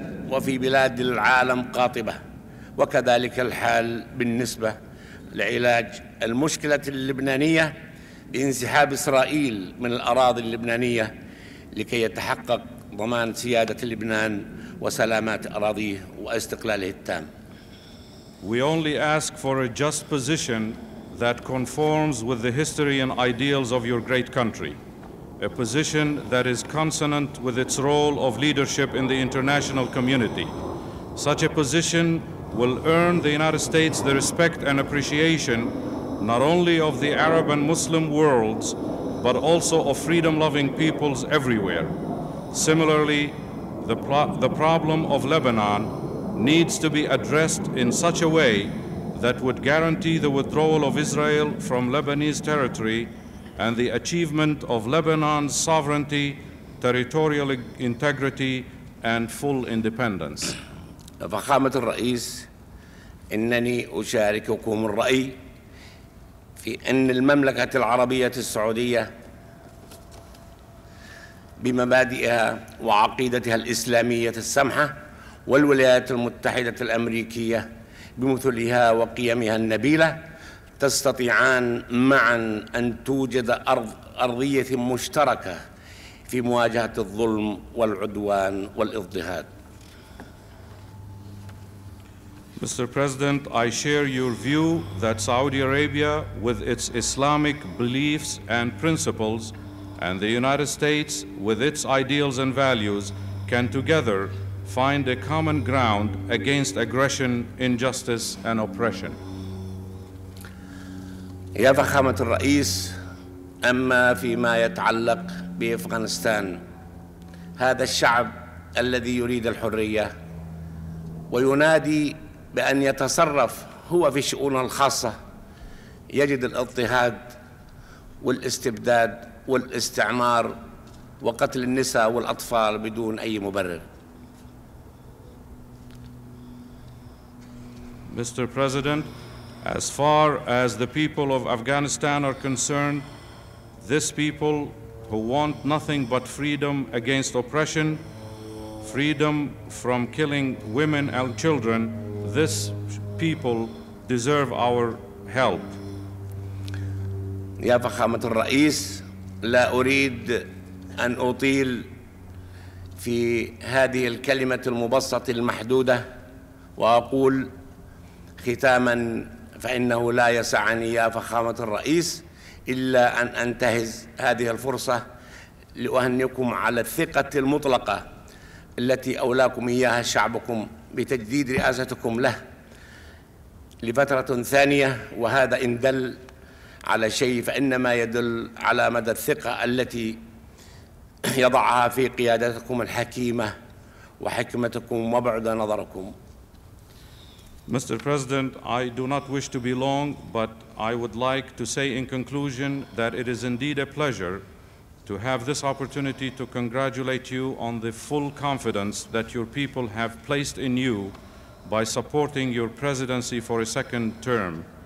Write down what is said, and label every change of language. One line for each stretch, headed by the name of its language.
Arabic: وفي بلاد العالم قاطبة وكذلك الحال بالنسبة لعلاج المشكلة اللبنانية بانسحاب إسرائيل من الأراضي اللبنانية لكي يتحقق ضمان سيادة لبنان وسلامات أراضيه واستقلاله التام.
English: We only ask for a just position that conforms with the history and ideals of your great country. A position that is consonant with its role of leadership in the international community. Such a position will earn the United States the respect and appreciation not only of the Arab and Muslim worlds, but also of freedom-loving peoples everywhere. Similarly, the problem of Lebanon needs to be addressed in such a way that would guarantee the withdrawal of Israel from Lebanese territory and the achievement of Lebanon's sovereignty, territorial integrity, and full independence.
Arabic: فخامة الرئيس إنني أشارككم الرأي في أن المملكة العربية السعودية بمبادئها وعقيدتها الإسلامية السمحة والولايات المتحدة الأمريكية بمثلها وقيمها النبيلة تستطيعان معاً أن توجد أرضية مشتركة في مواجهة الظلم والعدوان والاضطهاد.
English: Mr. President, I share your view that Saudi Arabia, with its Islamic beliefs and principles, and the United States, with its ideals and values, can together find a common ground against aggression, injustice, and oppression.
Arabic: يا فخامة الرئيس أما فيما يتعلق بأفغانستان هذا الشعب الذي يريد الحرية وينادي بأن يتصرف هو في شؤونه الخاصة يجد الاضطهاد والاستبداد والاستعمار وقتل النساء والأطفال بدون أي مبرر.
English: Mr. President, as far as the people of Afghanistan are concerned, this people who want nothing but freedom against oppression, freedom from killing women and children, this people deserve our help.
Arabic: يا فخامة الرئيس لا أريد أن أطيل في هذه الكلمة المبسطة المحدودة وأقول ختاماً فإنه لا يسعني يا فخامة الرئيس إلا أن أنتهز هذه الفرصة لأهنئكم على الثقة المطلقة التي أولاكم إياها شعبكم بتجديد رئاستكم له لفترة ثانية وهذا إن دل على شيء فإنما يدل على مدى الثقة التي يضعها في قيادتكم الحكيمة وحكمتكم وبعد نظركم.
English: Mr. President, I do not wish to be long, but I would like to say in conclusion that it is indeed a pleasure to have this opportunity to congratulate you on the full confidence that your people have placed in you by supporting your presidency for a second term.